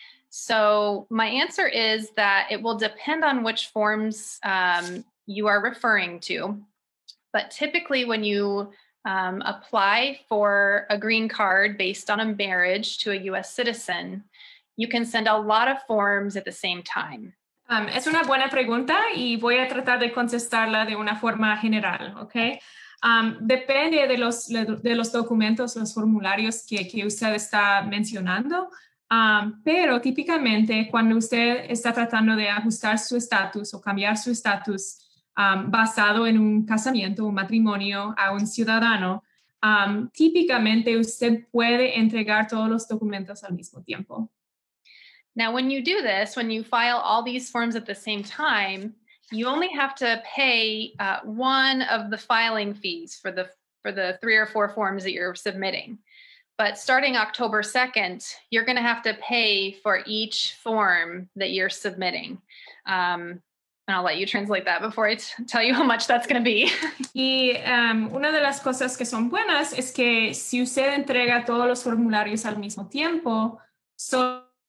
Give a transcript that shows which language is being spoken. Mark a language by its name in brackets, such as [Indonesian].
[English] So my answer is that it will depend on which forms you are referring to. But typically when you apply for a green card based on a marriage to a U.S. citizen, you can send a lot of forms at the same time. [Spanish] Es una buena pregunta y voy a tratar de contestarla de una forma general, okay? Depende de los documentos, los formularios que usted está mencionando. Pero típicamente cuando usted está tratando de ajustar su estatus o cambiar su estatus basado en un casamiento, un matrimonio a un ciudadano, típicamente usted puede entregar todos los documentos al mismo tiempo. [English] Now, when you do this, when you file all these forms at the same time, you only have to pay one of the filing fees for the three or four forms that you're submitting. But starting October 2nd, you're going to have to pay for each form that you're submitting. And I'll let you translate that before I tell you how much that's going to be. [Spanish] Y una de las cosas que son buenas es que si usted entrega todos los formularios al mismo tiempo, so...